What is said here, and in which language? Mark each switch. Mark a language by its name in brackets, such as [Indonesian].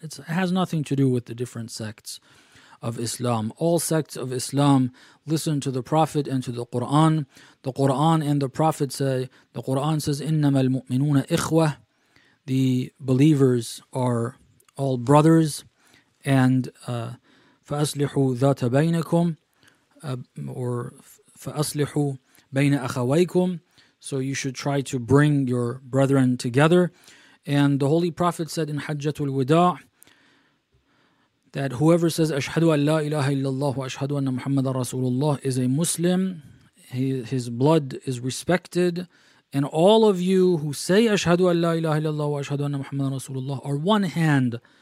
[English] It has nothing to do with the different sects of Islam. All sects of Islam listen to the Prophet and to the Quran. The Quran and the Prophet say, the Quran says, [Arabic] إِنَّمَا الْمُؤْمِنُونَ إِخْوَةِ. [English] The believers are all brothers. And [Arabic] فَأَصْلِحُوا ذَاتَ بَيْنَكُمْ [English] or [Arabic] فَأَصْلِحُوا بَيْنَ أَخَوَيْكُمْ. [English] So you should try to bring your brethren together. And the Holy Prophet said in Hajjatul Wada' that whoever says [Arabic] أَشْهَدُ أَنْ لَا إِلَهَ إِلَّا اللَّهُ وَأَشْهَدُ أَنَّ مُحَمَّدًا رَسُولُ اللَّهِ [English] is a Muslim, his blood is respected, and all of you who say [Arabic] أَشْهَدُ أَنْ لَا إِلَهَ إِلَّا اللَّهُ وَأَشْهَدُ أَنَّ مُحَمَّدًا رَسُولُ اللَّهِ [English] are one hand.